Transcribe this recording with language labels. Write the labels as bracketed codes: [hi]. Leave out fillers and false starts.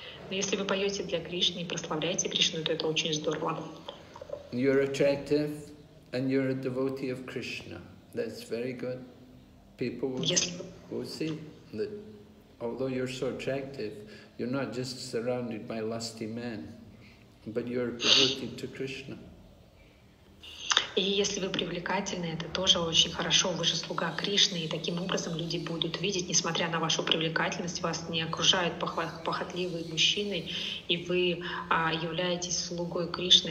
[ru] Но если вы поете для Кришны и прославляете Кришну, то это очень здорово. [en] You're attractive, and you're a devotee of Krishna. That's very good. People will see that. Although you're so attractive, you're not just surrounded by lusty men, but you're devoted to Krishna. [ru] И если вы привлекательны, это тоже очень хорошо. Вы же слуга Кришны, и таким образом люди будут видеть, несмотря на вашу привлекательность, вас не окружают похотливые мужчины, и вы являетесь слугой Кришны.